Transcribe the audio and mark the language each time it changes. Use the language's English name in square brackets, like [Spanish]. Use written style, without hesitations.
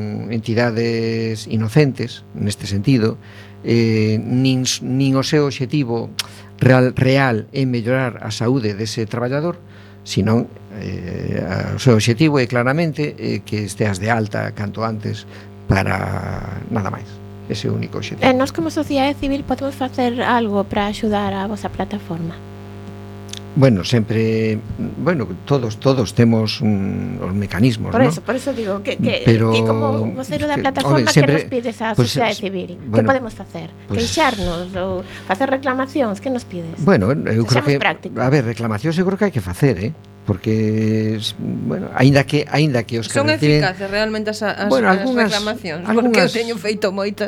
[Galician] entidades inocentes neste sentido, nin o seu obxectivo real é mellorar a saúde dese traballador, senón o seu obxectivo é claramente que esteas de alta canto antes, para nada máis, ese único obxectivo. Nós como sociedade civil podemos facer algo para axudar a vosa plataforma? [Spanish] Bueno, siempre, bueno, todos tenemos los mecanismos, por ¿no? Por eso digo que como vocero de la plataforma, ¿qué nos pides a pues, [Galician] sociedade civil? [Spanish] Bueno, ¿qué podemos hacer? Pues, ¿queixarnos o hacer reclamacións? ¿Qué nos pides? [Galician] Bueno, eu creo que práctico. A ver, reclamacións eu creo que hai que facer, porque bueno, aínda que os son eficaces realmente as reclamacións, algunas, porque eu teño feito moitas.